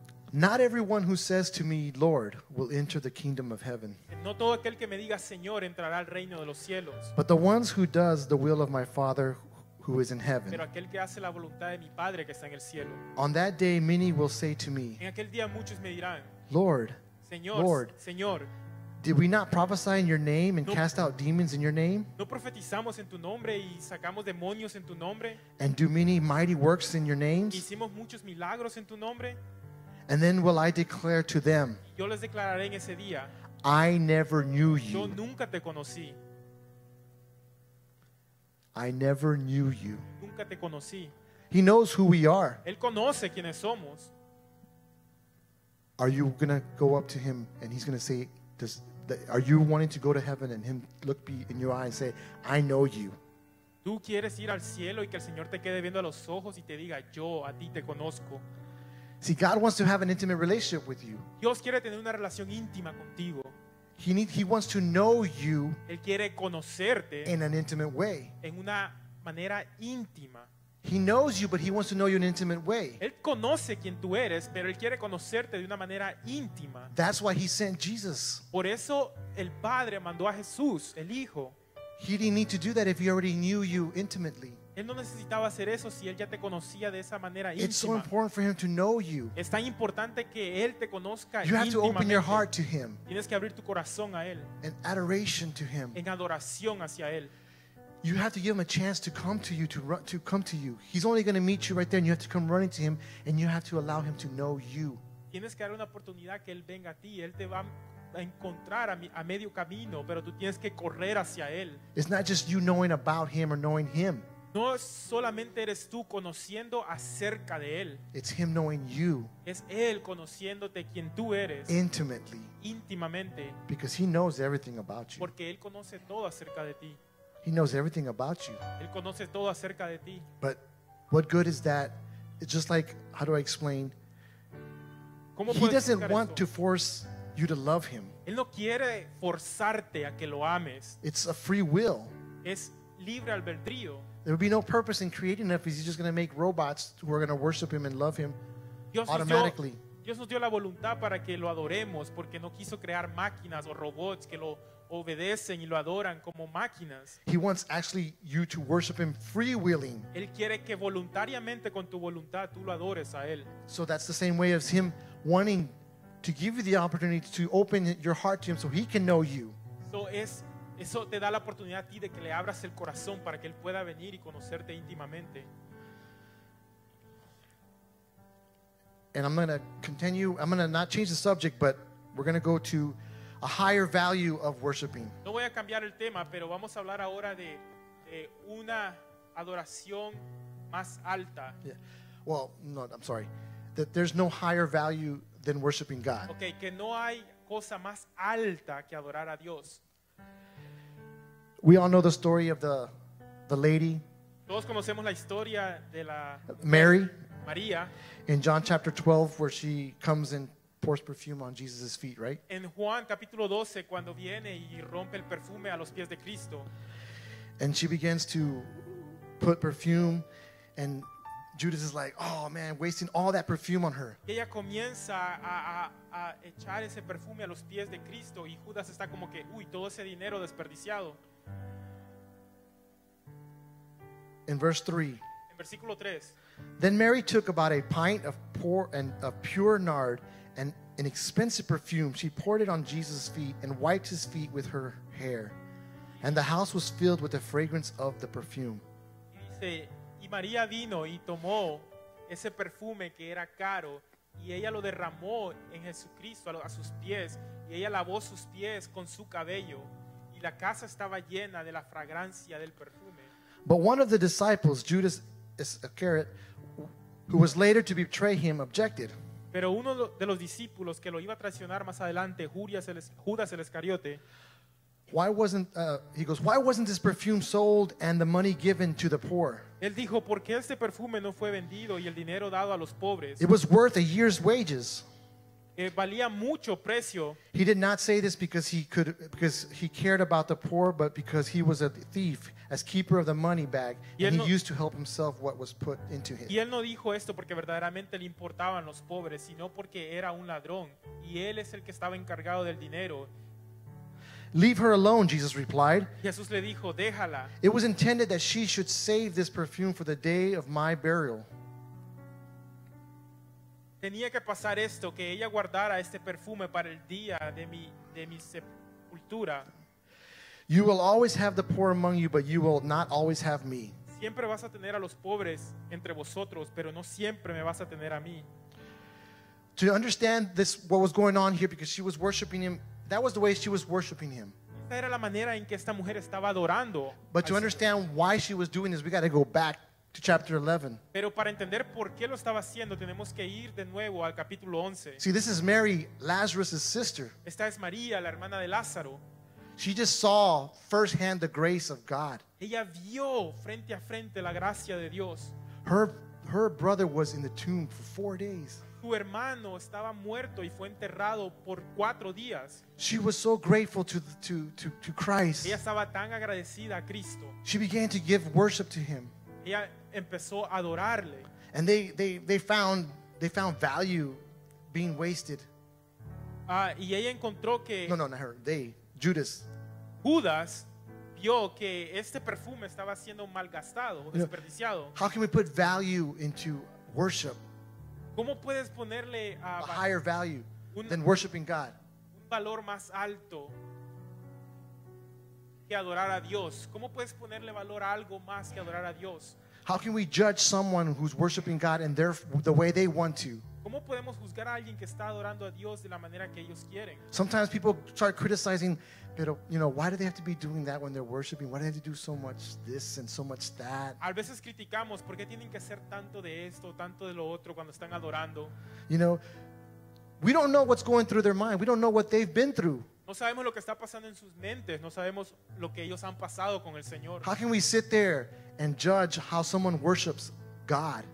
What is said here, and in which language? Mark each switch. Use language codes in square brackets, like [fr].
[en] Not everyone who says to me, Lord, will enter the kingdom of heaven. [es] No todo aquel que me diga, Señor, entrará al reino de los cielos. [en] But the ones who does the will of my Father who is in heaven. [es] Pero aquel que hace la voluntad de mi Padre que está en el cielo. [en] On that day many will say to me, [es] en aquel día muchos me dirán, [en] Lord, [es] Señor, [en] Lord, [es] Señor, [en] did we not prophesy in your name and cast out demons in your name? [es] No profetizamos en tu nombre y sacamos demonios en tu nombre? [en] And do many mighty works in your names? [es] Hicimos muchos milagros en tu nombre? [en] And then will I declare to them, [es] yo les declararé en ese día, [en] I never knew you. [es] Yo nunca te conocí. [en] I never knew you. [es] Nunca te conocí. [en] He knows who we are. [es] Él conoce quiénes somos. [en] Are you going to go up to him and he's going to say, are you wanting to go to heaven and him look in your eye and say, I know you? [es] ¿Tú quieres ir al cielo y que el Señor te quede viendo a los ojos y te diga, yo a ti te conozco? [en] See, God wants to have an intimate relationship with you. [es] Dios quiere tener una relación íntima contigo. [en] He wants to know you. [es] Él quiere conocerte [en] in an intimate way. [es] En una manera íntima. [en] He knows you, but he wants to know you in an intimate way. [es] Él conoce quién tú eres, pero él quiere conocerte de una manera íntima. [en] That's why he sent Jesus. [es] Por eso el Padre mandó a Jesús, el Hijo. [en] He didn't need to do that if he already knew you intimately. [es] Él no necesitaba hacer eso si él ya te conocía de esa manera íntima. [en] It's so important for him to know you. [es] Es tan importante que él te conozca. [en] You have to open your heart to him. [es] Tienes que abrir tu corazón a él. [en] In adoration to him. [es] En adoración hacia él. [en] You have to give him a chance to come to you, to come to you. He's only going to meet you right there, and you have to come running to him, and you have to allow him to know you. [es] Tienes que darle una oportunidad que él venga a ti. Él te va a encontrar a medio camino, pero tú tienes que correr hacia él. [en] It's not just you knowing about him or knowing him. [es] No solamente eres tú conociendo acerca de él. [en] It's him knowing you. [es] Es él conociéndote quien tú eres. [en] Intimately. [es] Íntimamente. [en] Because he knows everything about you. [es] Porque él conoce todo acerca de ti. [en] He knows everything about you. [es] Él conoce todo acerca de ti. [en] But what good is that? It's just like, how do I explain? [es] ¿Cómo [en] he doesn't want [es] esto? [en] To force you to love him. [es] Él no quiere forzarte a que lo ames. [en] It's a free will. [es] Es libre albedrío. [en] There would be no purpose in creating him if he's just going to make robots who are going to worship him and love him [es] Dios [en] automatically. [es] Dios nos dio la voluntad para que lo adoremos porque no quiso crear máquinas o robots que lo obedecen y lo adoran como máquinas. [en] He wants actually you to worship him free willing. [es] Él quiere que voluntariamente con tu voluntad tú lo adores a él. [en] So that's the same way as him wanting to give you the opportunity to open your heart to him so he can know you. [es] So es eso te da la oportunidad a ti de que le abras el corazón para que él pueda venir y conocerte íntimamente. [en] And I'm going to continue. I'm going to not change the subject, but we're going to go to a higher value of worshiping. [es] No voy a cambiar el tema, pero vamos a hablar ahora de una adoración más alta. [en] Yeah. Well, no, I'm sorry. That there's no higher value than worshiping God. [es] Okay, que no hay cosa más alta que adorar a Dios. [en] We all know the story of the lady. [es] Todos conocemos la historia de la [en] Mary. [es] María. [en] In John chapter 12, where she comes and pours perfume on Jesus' feet, right? [es] En Juan capítulo 12, cuando viene y rompe el perfume a los pies de Cristo. [en] And she begins to put perfume, and Judas is like, oh man, wasting all that perfume on her. [es] Ella comienza a echar ese perfume a los pies de Cristo, y Judas está como que, uy, todo ese dinero desperdiciado. [en] In verse 3. [es] En versículo 3. [en] Then Mary took about a pint of pure nard and an expensive perfume. She poured it on Jesus' feet and wiped his feet with her hair. And the house was filled with the fragrance of the perfume. [es] Dice, y María vino y tomó ese perfume que era caro y ella lo derramó en Jesucristo a sus pies y ella lavó sus pies con su cabello y la casa estaba llena de la fragancia del perfume. [en] But one of the disciples, Judas Iscariot, who was later to betray him, objected. [es] Pero uno de los discípulos que lo iba a traicionar más adelante, Judas el Iscariote. [en] Why wasn't this perfume sold and the money given to the poor? [es] Él dijo, ¿por qué este perfume no fue vendido y el dinero dado a los pobres? [en] It was worth a year's wages. [es] Valía mucho precio. [en] He did not say this because he cared about the poor, but because he was a thief, as keeper of the money bag, and he used to help himself what was put into him. [es] Y él no dijo esto porque verdaderamente le importaban los pobres, sino porque era un ladrón, y él es el que estaba encargado del dinero. [en] Leave her alone, Jesus replied. [es] Jesús le dijo, déjala. [en] It was intended that she should save this perfume for the day of my burial. [es] Tenía que pasar esto, que ella guardara este perfume para el día de mi sepultura. [en] You will always have the poor among you, but you will not always have me. [es] Siempre vas a tener a los pobres entre vosotros, pero no siempre me vas a tener a mí. [en] To understand this, what was going on here, because she was worshiping him, that was the way she was worshiping him. [es] Esta era la manera en que esta mujer estaba adorando. [en] But to understand why she was doing this, we got to go back to chapter 11. [es] Pero para entender por qué lo estaba haciendo, tenemos que ir de nuevo al capítulo 11. [en] See, this is Mary, Lazarus's sister. [es] Esta es María, la hermana de Lázaro. [en] She just saw firsthand the grace of God. [es] Ella vio frente a frente la gracia de Dios. [en] Her brother was in the tomb for 4 days. [es] Su hermano estaba muerto y fue enterrado por 4 días. [en] She was so grateful to Christ. [es] Ella estaba tan agradecida a Cristo. [en] She began to give worship to him. [es] Ella empezó a adorarle. [en] And they found value being wasted. [es] Y ella encontró que Judas. Judas vio que este perfume estaba siendo malgastado, desperdiciado. [en] How can we put value into worship? [es] ¿Cómo puedes ponerle [en] a higher value than worshiping God? [es] Un valor más alto que adorar a Dios. ¿Cómo puedes ponerle valor a algo más que adorar a Dios? [en] How can we judge someone who's worshiping God and the way they want to? [es] ¿Cómo podemos juzgar a alguien que está adorando a Dios de la manera que ellos quieren? [en] Sometimes people start criticizing, pero, you know, why do they have to be doing that when they're worshiping? Why do they have to do so much this and so much that? [es] A veces criticamos, ¿por qué tienen que hacer tanto de esto, tanto de lo otro cuando están adorando? [en] You know, we don't know what's going through their mind. We don't know what they've been through. [es] No sabemos lo que está pasando en sus mentes. No sabemos lo que ellos han pasado con el Señor. [en] How can we sit there and judge how someone worships God?